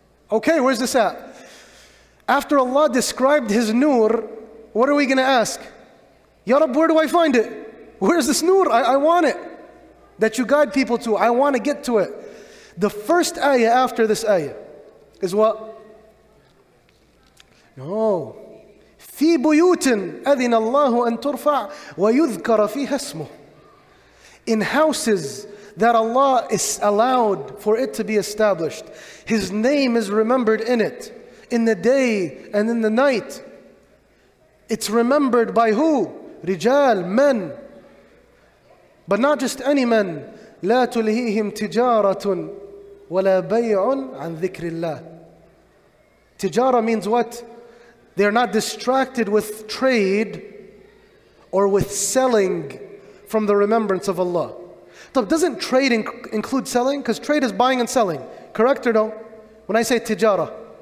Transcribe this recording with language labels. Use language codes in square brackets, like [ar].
[en] Okay, where's this at? After Allah described His nur, what are we going to ask? Ya Rabb, where do I find it? Where's this nur? I want it. That You guide people to. I want to get to it. The first ayah after this ayah is what? No. [ar] في بيوت أذن الله أن ترفع ويذكر فيها اسمه. [en] In houses that Allah is allowed for it to be established, His name is remembered in it, in the day and in the night. It's remembered by who? رجال, men. But not just any men. [ar] لا تلهيهم تجارة ولا بيع عن ذكر الله. [en] تجارة means what? They're not distracted with trade or with selling from the remembrance of Allah. So doesn't trade include selling? Because trade is buying and selling. Correct or no? When I say tijara.